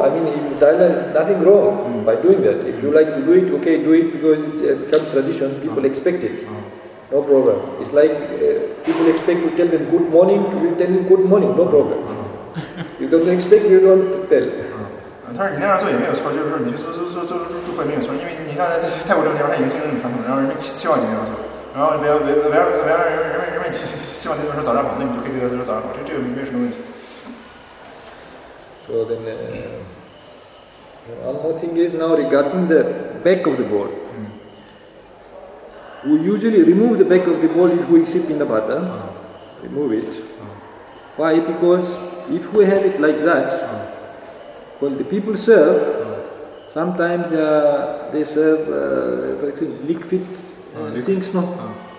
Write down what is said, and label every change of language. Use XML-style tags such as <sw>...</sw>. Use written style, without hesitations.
<en>I mean, in Thailand, nothing wrong by doing that. If you like to do it, okay, do it because it's a kind of tradition. People expect it. No problem. It's like people expect to tell them good morning. You tell them good morning. No problem. You don't expect, you don't tell.</en> <zh>但是你那样做也没有错，就是说你就祝福没有错，因为你像在泰国这个地方，它已经形成传统，然后人们期望你那样做，然后人们希望你那样早上好，那你就可以对他说早上好，这个没有什么问题。</zh> <en>So then, one more thing is now regarding the back of the bowl. We usually remove the back of the bowl if we sip in the bhata. Remove it. Why? Because if we have it like that, when the people serve, sometimes they serve liquid things, no?</en>